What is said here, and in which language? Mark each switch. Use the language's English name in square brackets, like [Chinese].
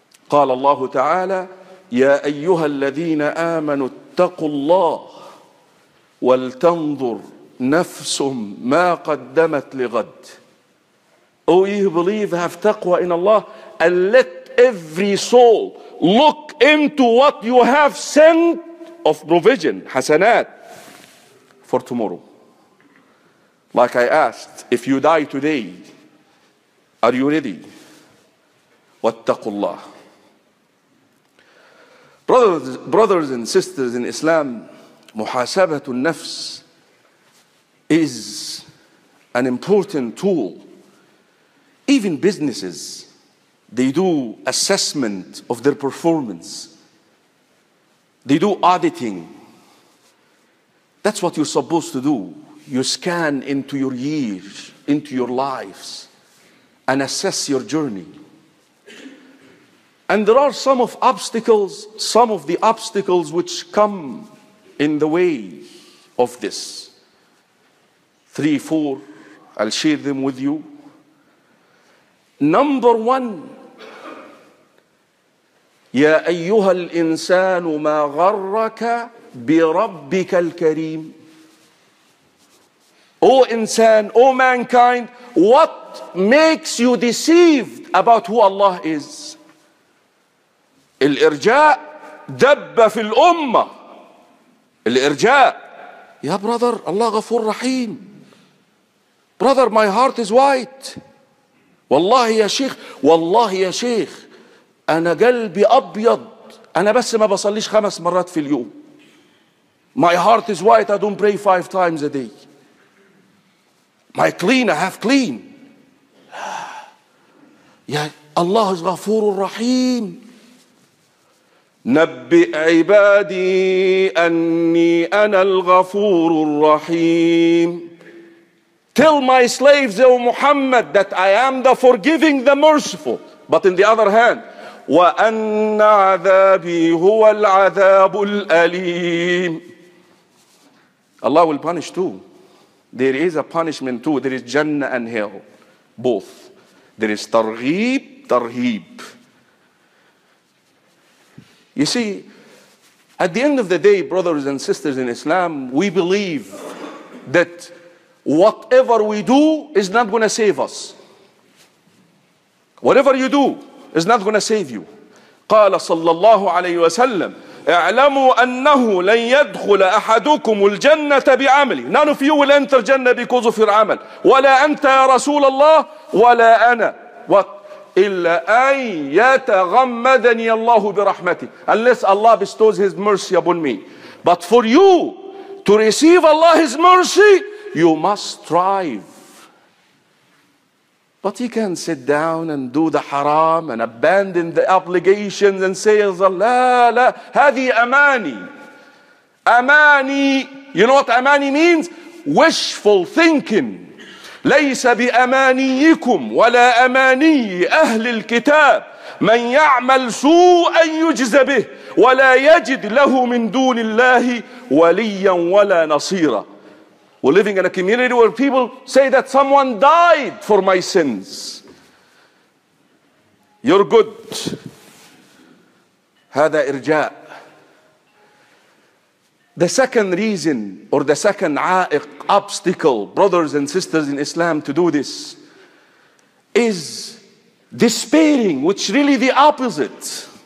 [Arabic] قال الله تعالى يا أيها الذين آمنوا اتقوا الله ولتنظر نفس ما قدمت لغد. [English] Oh, you believe, have taqwa in Allah, and let every soul look into what you have sent of provision, hasanat, for tomorrow. Like I asked, if you die today, are you ready? [Arabic] واتقوا الله. [English] Brothers and sisters in Islam, [Arabic] محاسبة النفس [English] is an important tool. Even businesses, they do assessment of their performance. They do auditing. That's what you're supposed to do. You scan into your years, into your lives, and assess your journey. And there are some of obstacles, some of the obstacles which come in the way of this. 3, 4, I'll share them with you. Number one, [Arabic] يا أيها الإنسان ما غرك بربك الكريم. [English] O insan, O mankind, what makes you deceived about who Allah is? [Arabic] الإرجاء دب في الأمة. الإرجاء. [English] يا brother, Allah [Arabic] غفور رحيم. [English] Brother, my heart is white. [Arabic] والله يا شيخ, والله يا شيخ, أنا قلبي أبيض. أنا بس ما بصليش خمس مرات في اليوم. [English] My heart is white. I don't pray five times a day. My clean, I have clean. [Arabic] يا الله غفور رحيم. نبئ عبادي أني أنا الغفور الرحيم. [English] Tell my slaves, O Muhammad, that I am the forgiving, the merciful. But in the other hand, [Arabic] وأن عذابي هو العذاب الأليم. [English] Allah will punish too. There is a punishment too. There is Jannah and Hell, both. There is Targhib, Tarheeb. You see, at the end of the day, brothers and sisters in Islam, we believe that whatever we do is not going to save us. Whatever you do is not going to save you. [Arabic] قال صلى الله عليه وسلم اعلموا أنه لن يدخل أحدكم الجنة بعملي. [English] None of you will enter Jannah because of your عمل. [Arabic] ولا أنت يا رسول الله ولا أنا. [English] What? [Arabic] إلا أن يتغمدني الله برحمته. [English] Unless Allah bestows His mercy upon me. But for you to receive Allah's mercy, you must strive. But you can sit down and do the haram and abandon the obligations and say, [Arabic] لا لا, هذه أماني. [English] أماني. You know what أماني means? Wishful thinking. [Arabic] ليس بأمانيكم ولا أماني أهل الكتاب من يعمل سوءا يجز به ولا يجد له من دون الله وليا ولا نصيرا. [English] We're living in a community where people say that someone died for my sins. You're good. [Arabic] هذا إرجاء. [English] The second reason or the second عائق, obstacle, brothers and sisters in Islam, to do this is despairing, which really the opposite.